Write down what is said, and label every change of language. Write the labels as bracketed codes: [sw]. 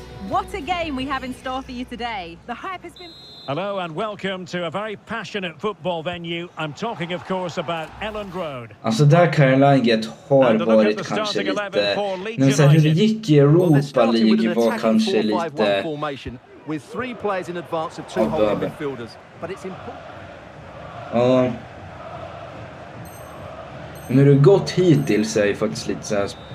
[en] What a game we have in store for you today. The hype has been... Hello and welcome to a very passionate football venue. I'm talking of course about Elland Road. [sv] Alltså där Carlinget har varit kanske lite... Men så här, hur det gick i Europa League var kanske lite... [en] With three players in advance of two holding midfielders. But it's important... [sv] När du gått hittills är ju faktiskt lite så här...